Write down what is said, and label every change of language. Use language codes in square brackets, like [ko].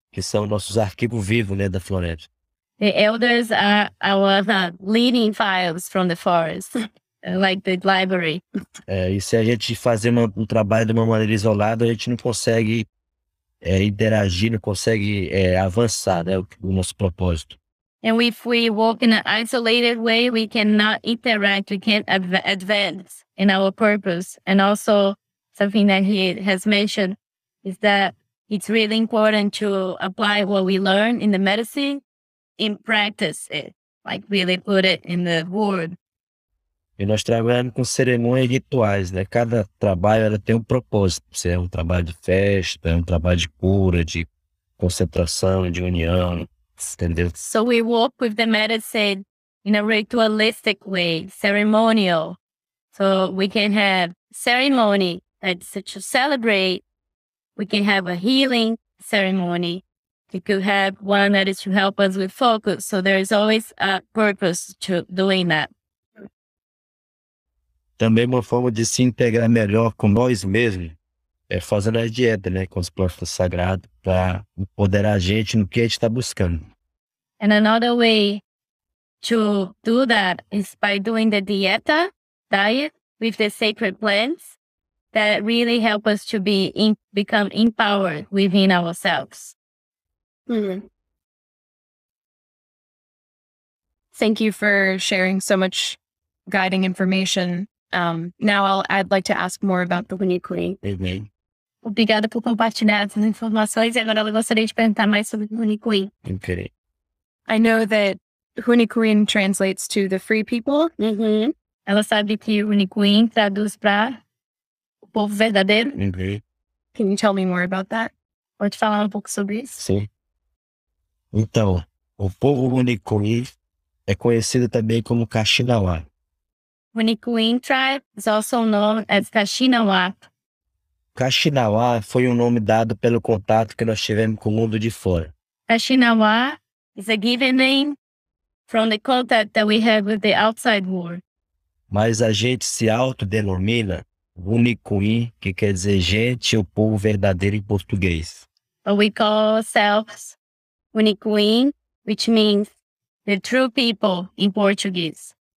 [pt] Que são nossos arquivos vivos, né, da floresta. [en] The elders are our leading files from the forest, like the library. [pt] E se a gente fazer um trabalho de uma maneira isolada, a gente não consegue interagir, não consegue avançar, né, o nosso propósito. [en] And if we walk in an isolated way, we cannot interact, we can't advance in our purpose. And also something that he has mentioned is that it's really important to apply what we learn in the medicine and practice it, like really put it in the word. [pt] E nós trabalhamos com cerimônias e rituais, né? Cada trabalho ela tem um propósito. Se é um trabalho de festa, é um trabalho de cura, de concentração, de união. Entendeu? [en] So we work with the medicine in a ritualistic way, ceremonial. So we can have ceremony that's to celebrate. We can have a healing ceremony. We could have one that is to help us with focus. So there is always a purpose to doing that. [pt] Também uma forma de se integrar melhor com nós mesmos é fazendo a dieta, né, com os plantas sagrados para empoderar a gente no que a gente está buscando. [en] And another way to do that is by doing the dieta, diet, with the sacred plants that really help us to be in, become empowered within ourselves. Mm-hmm. Thank you for sharing so much guiding information. Now I'd like to ask more about the Winnie Queen. Amen. [pt] Obrigada por compartilhar essas informações. E agora eu gostaria de perguntar mais sobre o Winnie Queen. [en] Okay. I know that Huni Queen translates to the free people. Mm-hmm. [pt] Ela sabe que Huni Queen traduz para o povo verdadeiro. [en] Okay. Can you tell me more about that? [pt] Pode falar um pouco sobre isso? Sim. Então, o povo Huni Queen é conhecido também como Kaxinawa. [en] Huni Queen tribe is also known as Kaxinawa. [pt] Kaxinawa foi um nome dado pelo contato que nós tivemos com o mundo de fora. Kaxinawa. [en] It's a given name from the contact that we had with the outside world. [pt] Mas a gente se autodenomina Unicuí, que quer dizer gente, o povo verdadeiro em português. [en] But we call ourselves Unicuí, which means the true people in Portuguese.